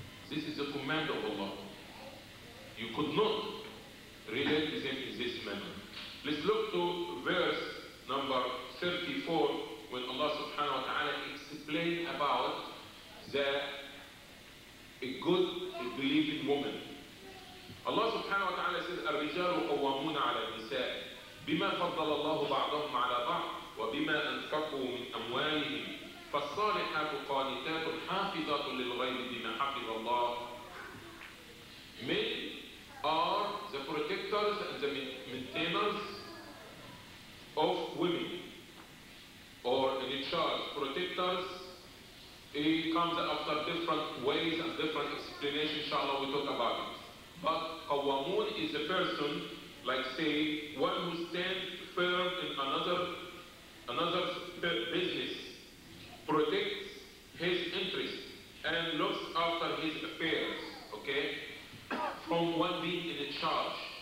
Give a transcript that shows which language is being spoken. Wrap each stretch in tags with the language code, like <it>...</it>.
<en>This is the command of Allah. You could not relate with him in this manner. Let's look to verse number 34, when Allah subhanahu wa ta'ala explained about that a good believing woman. Allah subhanahu wa ta'ala says,</en> <ar>الرِّجَالُ قَوَّمُونَ عَلَى النِّسَاءِ بِمَا فَضَّلَ اللَّهُ بَعْضَهُمْ عَلَى بَعْضٍ وَبِمَا أَنْفَقُوا مِنْ أَمْوَالِهِمْ فَالصَّالِحَاتُ قَانِتَاتٌ حَافِظَاتٌ لِلْغَيْبِ بِمَا حَفِظَ اللَّهُ.</ar> <en>Men are the protectors and the maintainers of women, or in charge. Protectors, it comes after different ways and different explanations. explanation, inshallah, we talk about it. But Qawwamun is a person, like say, one who stands firm in another business, protects his interests, and looks after his affairs, okay, from one being in charge.</en>